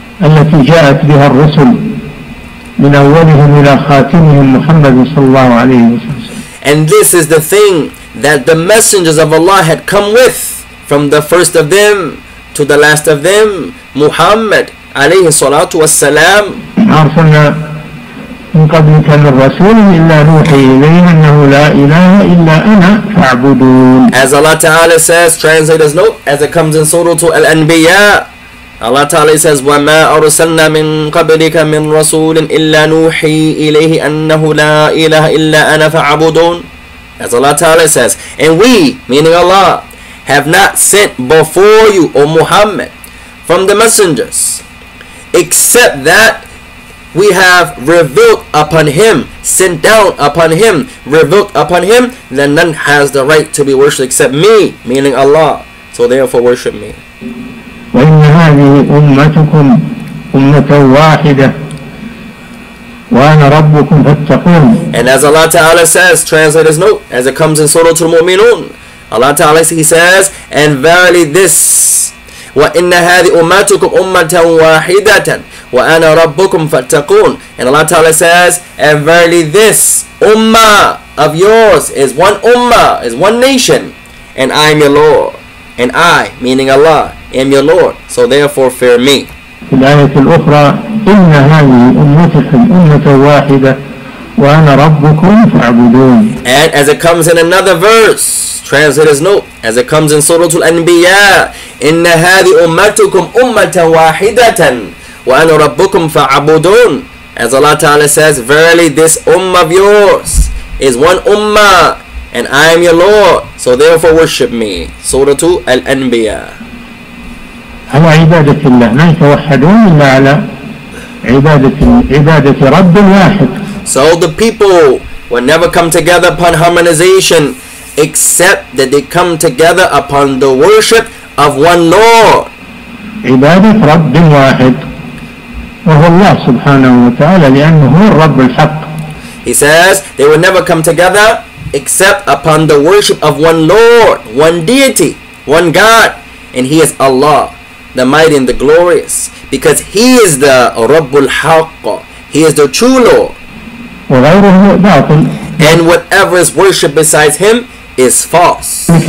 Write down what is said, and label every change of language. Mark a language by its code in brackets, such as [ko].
[ar] التي جاءت بها الرسل من أولهم إلى خاتمهم محمد صلى الله عليه وسلم. [en] And this is the thing that the messengers of Allah had come with from the first of them to the last of them, Muhammad [ar] عليه الصلاة والسلام. أرسلنا من قبلك من رسول إلا نوحي إليه أنه لا إله إلا أنا فاعبدون. [en] As Allah Ta'ala says, translators note, as it comes in Surah Al-Anbiya, Allah Ta'ala says, [ar] وَمَا أَرْسَلْنَا مِنْ قَبْلِكَ مِنْ رَسُولٍ إِلَّا نُوحِي إِلَيْهِ أَنَّهُ لَا إِلَهَ إِلَّا أَنَا فَعَبُدُونَ. [en] As Allah Ta'ala says, and we, meaning Allah, have not sent before you, O Muhammad, from the messengers, except that we have revealed upon him, sent down upon him, revealed upon him, then none has the right to be worshipped except me, meaning Allah. So therefore worship me. [ar] وإن هذه أمتكم أمة واحدة وأنا ربكم فاتقون. [en] And as Allah Ta'ala says, translators note, as it comes in Surah Al-Mu'minun, Allah Ta'ala says, he says, and verily this, [ar] وإن هذه أمتكم أمة واحدة وأنا ربكم فاتقون. [en] And Allah Ta'ala says, and verily this, Ummah of yours is one Ummah, is one nation, and I am your Lord. And I, meaning Allah, am your Lord, so therefore fear me. And as it comes in another verse, translators note, as it comes in Surah Al-Anbiya, [ar] إِنَّ هَذِي أُمَّتُكُمْ أُمَّةً وَاحِدَةً وَأَنَا رَبُّكُمْ فَعَبُدُونَ. [en] As Allah Ta'ala says, verily this Ummah of yours is one Ummah, and I am your Lord, so therefore worship me. Surah Al-Anbiya. [ar] على عبادة الله ما يتوحدون إلا على عبادة رب واحد. [en] So the people will never come together upon harmonization except that they come together upon the worship of one Lord. [ar] عبادة رب واحد وهو الله سبحانه وتعالى لأنه هو الرب الحق. [en] He says they will never come together except upon the worship of one Lord, one deity, one God, and he is Allah, the mighty and the glorious, because he is the Rabbul Haqq, he is the true Lord, and whatever is worshipped besides him is false.